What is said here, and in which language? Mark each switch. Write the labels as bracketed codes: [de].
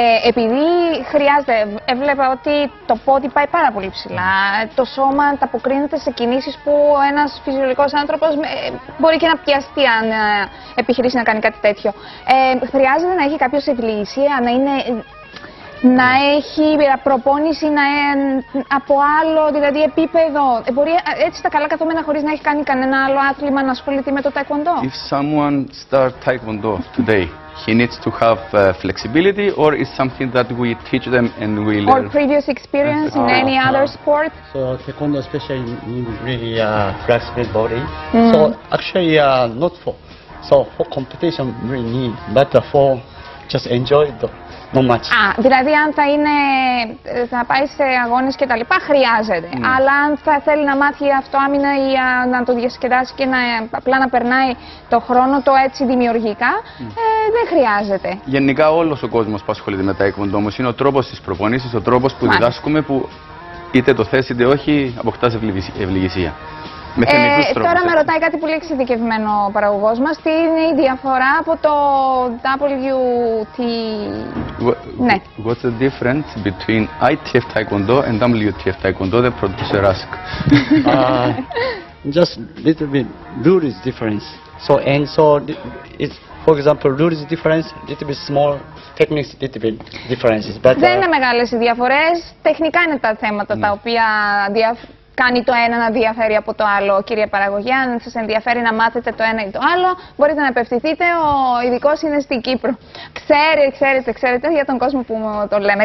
[el] Επειδή χρειάζεται, έβλεπα ότι το πόδι πάει πάρα πολύ ψηλά, το σώμα ανταποκρίνεται σε κινήσεις που ένας φυσιολογικός άνθρωπος μπορεί και να πιαστεί αν επιχειρήσει να κάνει κάτι τέτοιο. Χρειάζεται να έχει κάποιος ευλοίησια, να έχει προπόνηση από άλλο δηλαδή επίπεδο. Μπορεί έτσι τα καλά καθόμενα χωρίς να έχει κάνει κανένα άλλο άθλημα να ασχοληθεί με το taekwondo. [en] If someone start taekwondo today, he needs to have flexibility or is something that we teach them and we learn? Or previous experience in any other sport? So taekwondo especially needs really flexible body. So actually not for competition really need, but for just enjoy the. [el] Α, δηλαδή αν θα είναι, θα πάει σε αγώνες και τα λοιπά, χρειάζεται. Mm. Αλλά αν θα θέλει να μάθει αυτοάμυνα ή να το διασκεδάσει και απλά να περνάει το χρόνο το έτσι δημιουργικά, δεν χρειάζεται. Γενικά όλος ο κόσμος που ασχολείται με τα taekwondo όμως είναι ο τρόπος της προπονήσης, ο τρόπος που διδάσκουμε που είτε το θες είτε όχι αποκτάς ευληγησία. Τώρα με ρωτάει κάτι πολύ εξειδικευμένο ο παραγωγός μας. Τι είναι η διαφορά από το WT... Ναι. [en] What's the difference between ITF Taekwondo and WTF Taekwondo, the producer asked. Just little bit rule is difference. So it's, for example, rule is difference, little bit small, techniques little bit differences. But, [el] δεν είναι μεγάλες οι διαφορές. Τεχνικά είναι τα θέματα τα οποία κάνει το ένα να διαφέρει από το άλλο, κύριε παραγωγή. Αν σας ενδιαφέρει να μάθετε το ένα ή το άλλο, μπορείτε να απευθυνθείτε. Ο ειδικός είναι στην Κύπρο. Ξέρετε για τον κόσμο που το λέμε.